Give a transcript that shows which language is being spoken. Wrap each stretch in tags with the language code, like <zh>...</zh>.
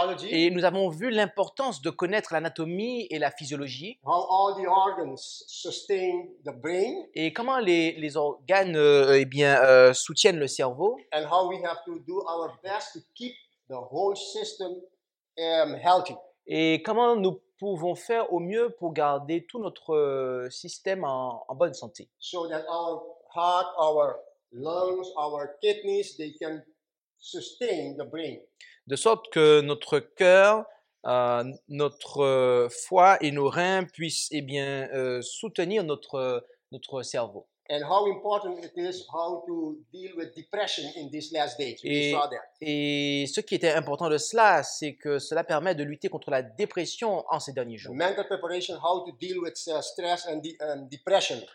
<fr>Et nous avons vu l'importance de connaître l'anatomie et la physiologie.</fr> <en>How all the organs sustain the brain.</en> <fr>Et comment les organes eh bien, soutiennent le cerveau.</fr> <en>And how we have to do our best to keep the whole system healthy.</en> <fr>Et comment nous pouvons faire au mieux pour garder tout notre système en bonne santé.</fr> <en>So that our heart, our lungs, our kidneys, they can sustain the brain.</en> <fr>De sorte que notre cœur, notre foie et nos reins puissent eh bien, soutenir notre cerveau.</fr> <en>And how important it is how to deal with depression in these last days. We saw that.</en> <fr>Et ce qui était important de cela, c'est que cela permet de lutter contre la dépression en ces derniers jours.</fr> <en>Mental preparation, how to deal with stress and depression.</en>